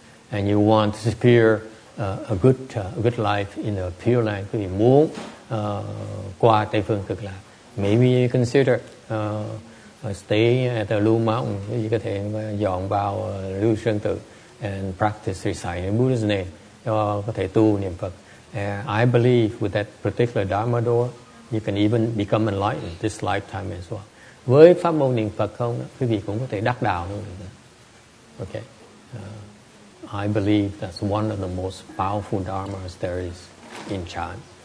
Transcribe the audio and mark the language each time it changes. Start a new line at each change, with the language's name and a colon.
English: And you want to secure a good life in a pure land,
Vietnamese: quý vị muốn qua Tây Phương Cực Lạc.
English: Maybe you consider stay at the Lu Mountain,
Vietnamese: quý vị có thể dọn vào Lưu Sơn Tự
English: and practice reciting Buddha's name,
Vietnamese: có thể tu niệm Phật.
English: I believe with that particular Dharma door, you can even become enlightened this lifetime as well.
Vietnamese: Với pháp môn niệm Phật không, quý vị cũng có thể đắc đạo luôn.
English: Okay. I believe that's one of the most powerful dharmas there is in chan.